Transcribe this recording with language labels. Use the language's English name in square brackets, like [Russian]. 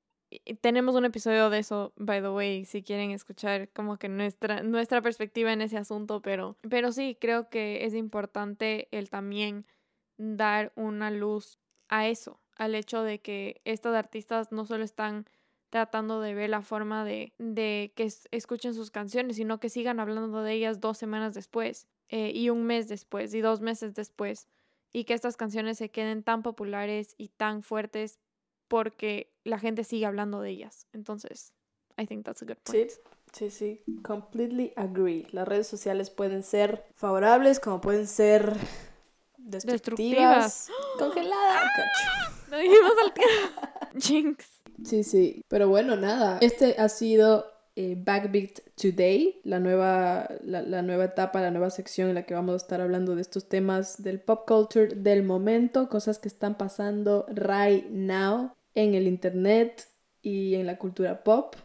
[Spanish] Y tenemos un episodio de eso, [English] by the way, [Spanish] si quieren escuchar como que nuestra perspectiva en ese asunto, pero sí, creo que es importante el también dar una luz a eso, al hecho de que estas artistas no solo están tratando de ver la forma de que escuchen sus canciones, sino que sigan hablando de ellas 2 semanas después, y 1 mes después, y 2 meses después, y que estas canciones se queden tan populares y tan fuertes porque la gente sigue hablando de ellas. Entonces, [English] I think that's a good point. [Spanish] Sí, sí, sí. [English] Completely agree. [Spanish] Las redes sociales pueden ser favorables como pueden ser destructivas. ¡Congelada! ¡Ah! ¡Lo dijimos al tiempo! ¡Jinx! Sí, sí. Pero bueno, nada. Este ha sido Backbeat Today, la nueva etapa, la nueva sección en la que vamos a estar hablando de estos temas del pop culture del momento, cosas que están pasando [English] right now [Spanish] en el internet y en la cultura pop.